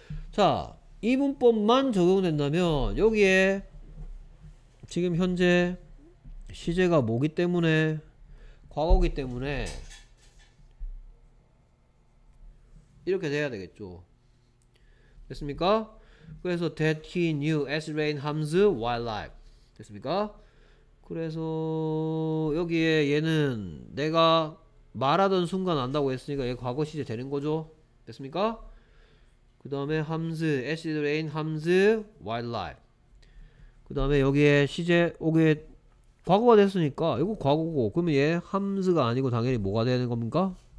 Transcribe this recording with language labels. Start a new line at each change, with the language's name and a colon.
Korean: 자, 이 문법만 적용된다면 여기에 지금 현재 시제가 뭐기 때문에 과거기 때문에 이렇게 돼야 되겠죠. 됐습니까? 그래서
English: that he knew as rain harms wildlife.
Korean: 됐습니까? 그래서 여기에 얘는 내가 말하던 순간 안다고 했으니까 얘 과거 시제 되는 거죠. 됐습니까? 그 다음에
English: harms, acid rain harms wildlife.
Korean: 그 다음에 여기에 시제 오게 과거가 됐으니까 이거 과거고 그러면 얘 harms가 아니고 당연히 뭐가 되는 겁니까?